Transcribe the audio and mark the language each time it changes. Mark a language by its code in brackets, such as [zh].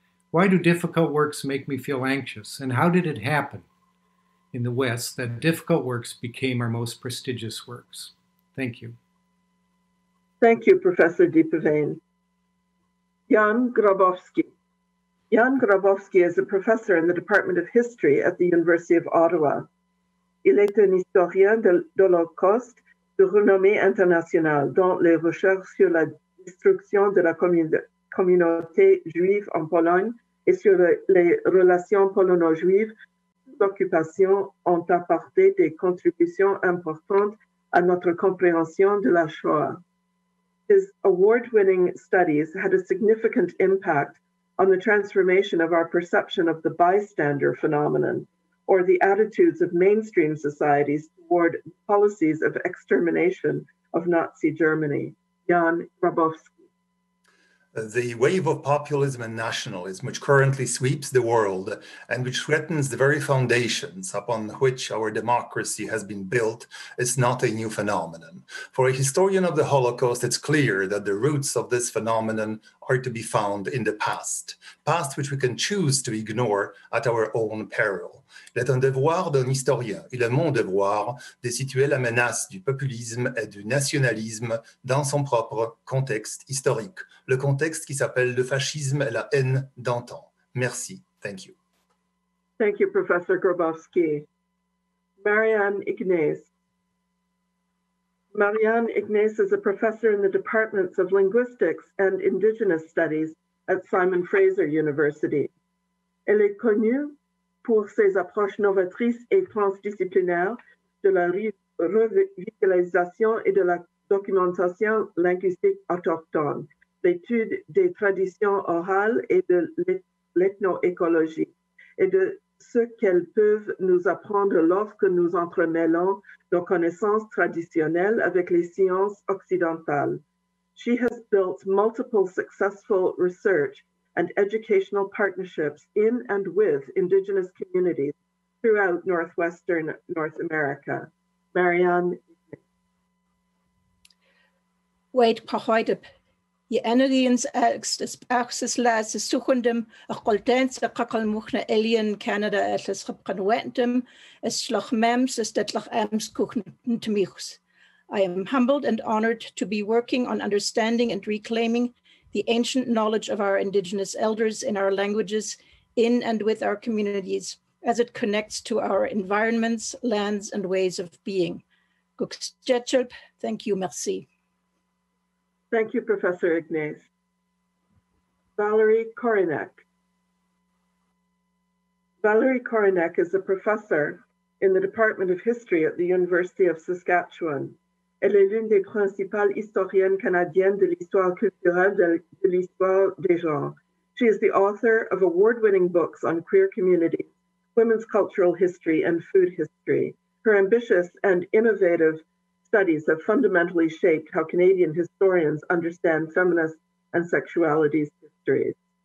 [en] Why do difficult works make me feel anxious? And how did it happen in the West that difficult works became our most prestigious works? Thank you. Thank you, Professor Deepavane. Jan Grabowski. Jan Grabowski is a professor in the Department of History at the University of Ottawa. [fr] Il est un historien de l'Holocauste de renommée internationale dans les recherches sur la destruction de la communauté juive en Pologne et sur les relations polono-juives sous l'occupation ont apporté des contributions importantes à notre compréhension de la Shoah. [en] His award-winning studies had a significant impact on the transformation of our perception of the bystander phenomenon or the attitudes of mainstream societies toward policies of extermination of Nazi Germany. Jan Grabowski. The wave of populism and nationalism which currently sweeps the world and which threatens the very foundations upon which our democracy has been built is not a new phenomenon. For a historian of the Holocaust, it's clear that the roots of this phenomenon are to be found in the past, past which we can choose to ignore at our own peril. [fr] C'est un devoir d'un historien et le mon devoir de situer la menace du populisme et du nationalisme dans son propre contexte historique, le contexte qui s'appelle le fascisme et la haine d'antan. [en] Merci. Thank you. Thank you, Professor Grabowski. Marianne Ignace. Marianne Ignace is a professor in the departments of linguistics and indigenous studies at Simon Fraser University. [fr] Elle est connue pour ses approches novatrices et transdisciplinaires de la revitalisation et de la documentation linguistique autochtone, l'étude des traditions orales et de l'ethnoécologie, et de ce qu'elles peuvent nous apprendre lorsque nous entremêlons nos connaissances traditionnelles avec les sciences occidentales. [en] She has built multiple successful research and educational partnerships in and with Indigenous communities throughout Northwestern North America. Marianne. Wait, Pahoidip. Ye Enerians Axis Axis Laz, the Sukundum, a Goldens, the Kakalmuchna Alien, Canada, Atlas Rapanwentum, as Schloch Mems, as Detlach Ems Kuchn to Michs. I am humbled and honored to be working on understanding and reclaiming the ancient knowledge of our indigenous elders in our languages, in and with our communities, as it connects to our environments, lands, and ways of being. Guksjetchelp, thank you, merci. Thank you, Professor Ignace. Valerie Korinek. Valerie Korinek is a professor in the Department of History at the University of Saskatchewan. [fr] Elle est l'une des principales historiennes canadiennes de l'histoire culturelle de l'histoire des genres. [en] She is the author of award-winning books on queer communities, women's cultural history, and food history. Her ambitious and innovative studies have fundamentally shaped how Canadian historians understand feminist and sexuality histories.